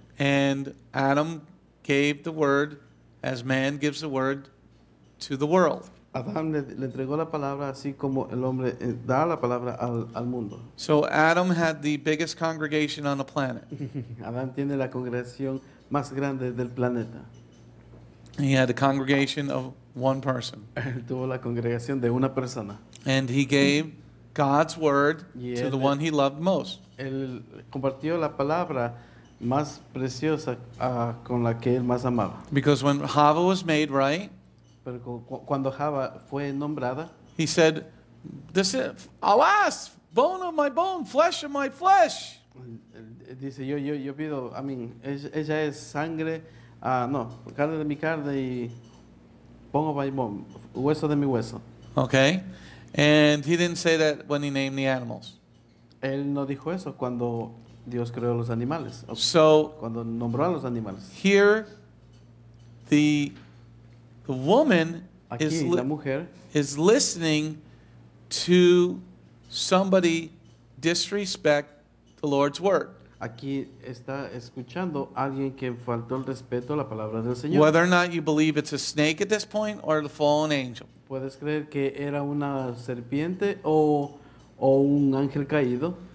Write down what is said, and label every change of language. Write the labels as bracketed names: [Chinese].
[English] And Adam gave the word as man gives the word to the world. [Spanish] Adam le entregó la palabra así como el hombre da la palabra al mundo. [English] So Adam had the biggest congregation on the planet. [Spanish] Adam tiene la congregación más grande del planeta. [English] He had a congregation of one person. [Spanish] Él tuvo la congregación de una persona. [English] And he gave God's word to the one he loved most. [Spanish] Él compartió la palabra más preciosa con la que él más amaba. [English] Because when Hava was made, right? [Spanish] Pero cuando Hava fue nombrada, [English] he said, "This is, alas, bone of my bone, flesh of my flesh." [Spanish] Dice yo pido, [English] I mean, [Spanish] ella es sangre, carne de mi carne y [English] bone of my bone, [Spanish] hueso de mi hueso. [English] Okay, and he didn't say that when he named the animals. [Spanish] Él no dijo eso cuando Dios creó los animales. [English] So, [Spanish] cuando nombró a los animales. [English] Here, the woman [Spanish] aquí, [English] is, [Spanish] la mujer, [English] is listening to somebody disrespect the Lord's word. [Spanish] Aquí está escuchando alguien que faltó el respeto a la palabra del Señor. [English] Whether or not you believe it's a snake at this point or the fallen angel. [Spanish] Puedes creer que era una serpiente o un ángel caído.